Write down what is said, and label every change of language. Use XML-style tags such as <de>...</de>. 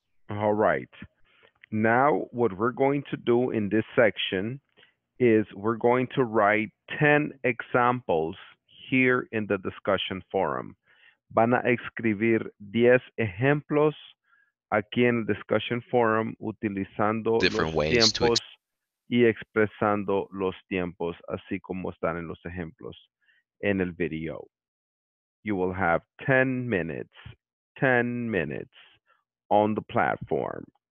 <en>All right. Now, what we're going to do in this section is we're going to write 10 examples here in the discussion forum.</en> <es>Van a escribir 10 ejemplos aquí en el discussion forum utilizando</es> <en>different ways</en> <es>tiempos</es> <en>to</en> <es>y expresando los tiempos así como están en los ejemplos en el video.</es> <en>You will have 10 minutes, 10 minutes on the platform.</en>